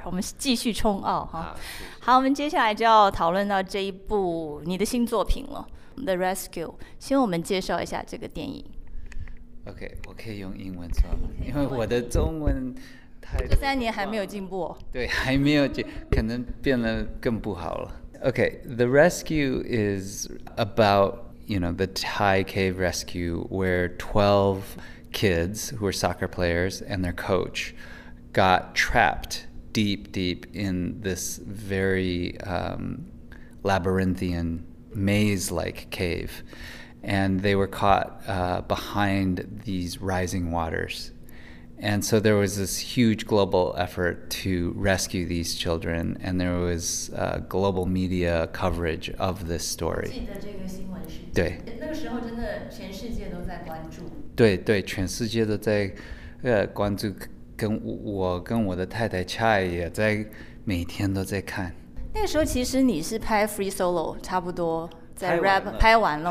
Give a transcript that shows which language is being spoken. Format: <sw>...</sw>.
<zh>我们继续冲澳哈。好，我们接下来就要讨论到这一部你的新作品了，《The Rescue》。先我们介绍一下这个电影。 OK， 我可以用英文说吗？因为我的中文太…… 这三年还没有进步。对，还没有进，可能变得更不好了。</zh> <en>OK，《The Rescue》is about you know, the Thai cave rescue where 12 kids who were soccer players and their coach got trapped deep, deep in this very labyrinthian maze-like cave. And they were caught behind these rising waters. And so there was this huge global effort to rescue these children. And there was global media coverage of this story.</en> <zh>对，那个时候真的全世界都在关注。对对，全世界都在关注，跟我跟我的太太 Chai 也在每天都在看。那个时候其实你是拍 Free Solo 差不多在 rap 拍完了</zh>